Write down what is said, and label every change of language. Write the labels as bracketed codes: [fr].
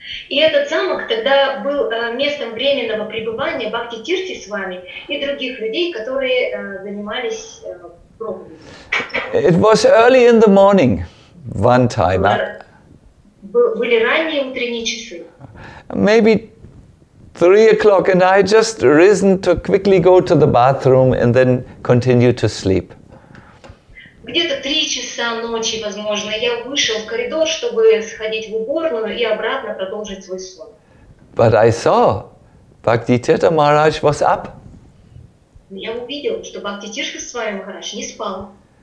[ru] И этот замок тогда был местом временного пребывания Бхакти Тирти с вами и других людей, которые занимались проповедью. [en] It was early in the morning, one time. [ru] Были ранние утренние часы. [en] Maybe 3 o'clock, and I just risen to quickly go to the bathroom and then continue to sleep. [ru] Где-то 3 часа ночи, возможно, я вышел в коридор, чтобы сходить в уборную и обратно продолжить свой сон. [en] But I saw Bhakti Tirtha Maharaj was up. [ru] Я увидел, что Бхакти Тирта с вами, Махарадж, не спал.